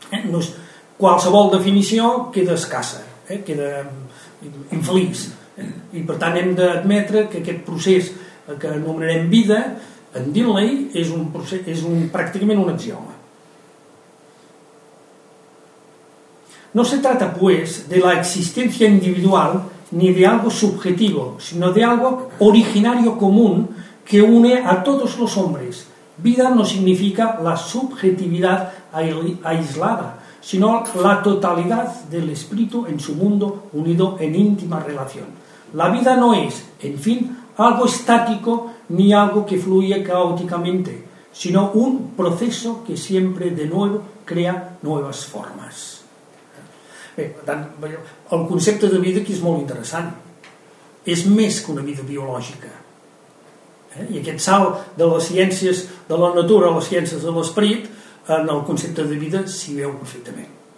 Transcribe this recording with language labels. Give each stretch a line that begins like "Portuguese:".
Catalan: No és, qualsevol definició queda escassa, queda infeliç. I per tant hem d'admetre que aquest procés que anomenarem vida, en Dilley, és un procés, és un, pràcticament un axioma.
Spanish: No se trata, pues, de la existencia individual ni de algo subjetivo, sino de algo originario común que une a todos los hombres. Vida no significa la subjetividad aislada, sino la totalidad del espíritu en su mundo unido en íntima relación. La vida no es, en fin, algo estático ni algo que fluye caóticamente, sino un proceso que siempre de nuevo crea nuevas formas.
Catalan: Bé, per tant, el concepte de vida aquí és molt interessant. És més que una vida biològica. I aquest salt de les ciències de la natura a les ciències de l'esperit, en el concepte de vida s'hi veu perfectament.